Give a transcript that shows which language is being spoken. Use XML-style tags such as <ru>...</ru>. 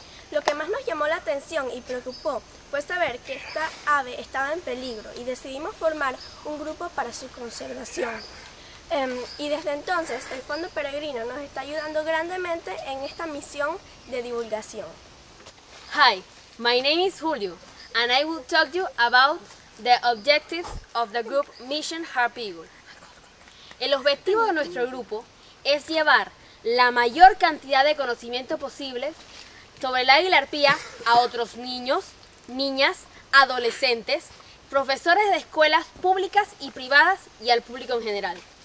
<es>Lo que más nos llamó la atención y preocupó fue saber que esta ave estaba en peligro y decidimos formar un grupo para su conservación. Y desde entonces el Fondo Peregrino nos está ayudando grandemente en esta misión de divulgación.</es> <en>Hi, my name is Julio, and I will talk to you about the objectives of the group Mission Harpy Eagle.</en> <es>El objetivo de nuestro grupo es llevar la mayor cantidad de conocimiento posible sobre el águila arpía a otros niños, niñas, adolescentes, profesores de escuelas públicas y privadas y al público en general.</es>